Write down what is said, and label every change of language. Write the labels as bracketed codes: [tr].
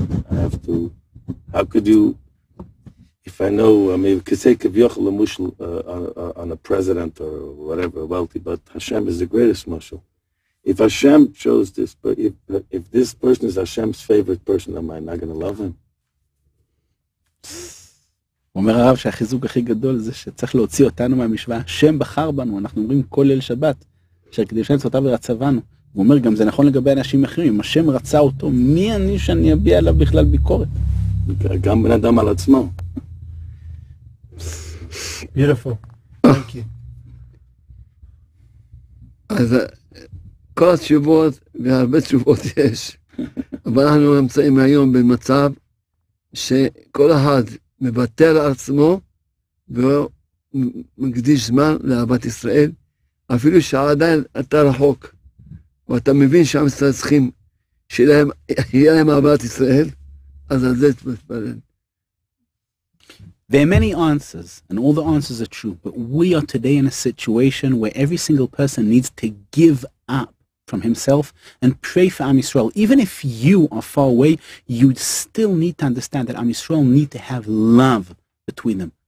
[en] I have to, how could you, if I know, I mean, [he] kisek kivyochel mushel [en] on a president or whatever, wealthy, but Hashem is the greatest mushel. If Hashem chose this, but if this person is Hashem's favorite person, am I not going to love him? [he] אומר הרב שהחיזוק הכי גדול זה שצריך להוציא אותנו מהמשוואה. השם בחר בנו, אנחנו אומרים כל ליל שבת, אשר קדישה מצוותיו ורצבנו. הוא אומר גם זה נכון לגבי אנשים אחרים, אם השם רצה אותו, מי אני שאני אביע עליו בכלל ביקורת? גם בן אדם על עצמו. אז כל התשובות והרבה תשובות יש, אבל אנחנו נמצאים היום במצב שכל אחד מבטל על עצמו ומקדיש זמן לאהבת ישראל, אפילו שעדיין אתה רחוק ואתה מבין שעם ישראל צריכים שיהיה להם אהבת ישראל, אז על זה תתפלל. [en] There are many answers, and all the answers are true, but we are today in a situation where every single person needs to give up from himself and pray for Am Yisrael. Even if you are far away, you still need to understand that Am Yisrael need to have love between them.